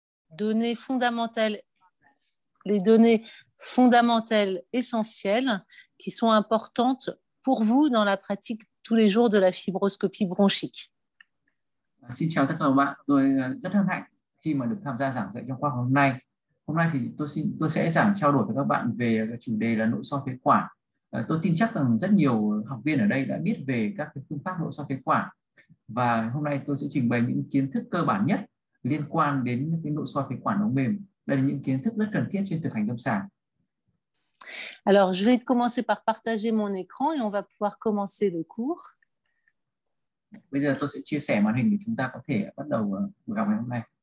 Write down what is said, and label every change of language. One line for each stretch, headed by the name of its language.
French: données fondamentales, les données fondamentales essentielles qui sont importantes pour vous dans la pratique tous les jours de la fibroscopie bronchique.
Vietnamese: Xin chào tất cả các bạn, tôi rất hân hạnh khi mà được tham gia giảng dạy trong khóa hôm nay. Hôm nay thì tôi sẽ giảng trao đổi với các bạn về chủ đề là nội soi phế quản. Tôi tin chắc rằng rất nhiều học viên ở đây đã biết về các phương pháp nội soi phế quản. Và hôm nay tôi sẽ trình bày những kiến thức cơ bản nhất liên quan đến cái nội soi phế quản ống mềm. Đây là những kiến thức rất cần thiết trên thực hành lâm sàng.
French: Alors, je vais commencer par partager mon écran et on va pouvoir commencer le cours.
Vietnamese: Bây giờ tôi sẽ chia sẻ màn hình để chúng ta có thể bắt đầu buổi học ngày hôm nay.